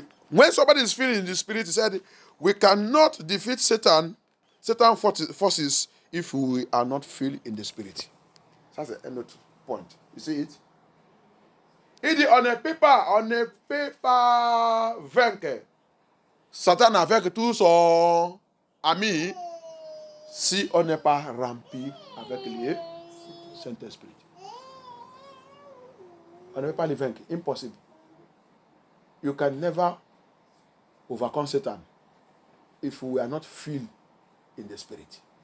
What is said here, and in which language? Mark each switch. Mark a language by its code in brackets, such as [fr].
[en] When somebody is feeling in the spirit, he said, we cannot defeat Satan, forces, if we are not filled in the spirit. That's another point. You see it? [fr] Il dit, on ne peut pas vaincre Satan avec tout son ami si on n'est pas rempli avec le Saint-Esprit. On ne peut pas le vaincre. Impossible. [en] You can never overcome Satan if we are not filled in the Spirit.